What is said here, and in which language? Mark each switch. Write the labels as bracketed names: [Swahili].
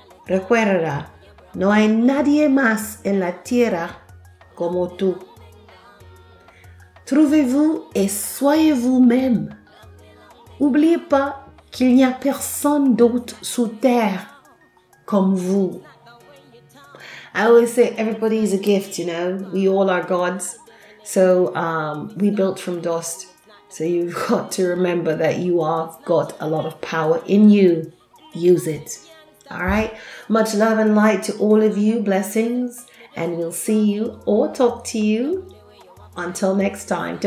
[Spanish] Recuerda, no hay nadie más en la tierra como tú. [French] Trouvez-vous et soyez vous-même. N'oubliez pas qu'il n'y a personne d'autre sous terre. Comme vous. [English] I always say everybody is a gift, you know. We all are gods. So we built from dust. So you've got to remember that you have got a lot of power in you. Use it. All right. Much love and light to all of you. Blessings. And we'll see you or talk to you until next time.